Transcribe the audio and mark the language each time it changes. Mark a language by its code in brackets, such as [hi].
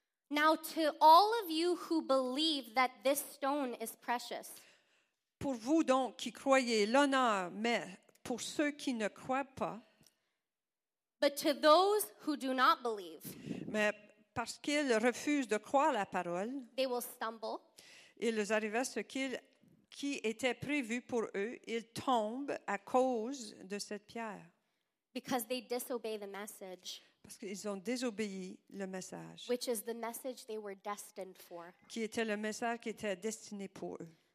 [en] Now to all of you who believe that this stone is precious. [fr] Pour vous donc qui croyez, l'honneur, mais pour ceux qui ne croient pas. [en] But to those who do not believe. [fr] Mais parce qu'ils refusent de croire la parole. [en] They will stumble. [fr] Il leur arrivera ce qui était prévu pour eux, ils tombent à cause de cette pierre. [en] Because they disobey the message. [fr] Parce qu'ils ont désobéi le message. [en] Which is the message they were destined for. [fr] Qui était le message qui était destiné pour eux.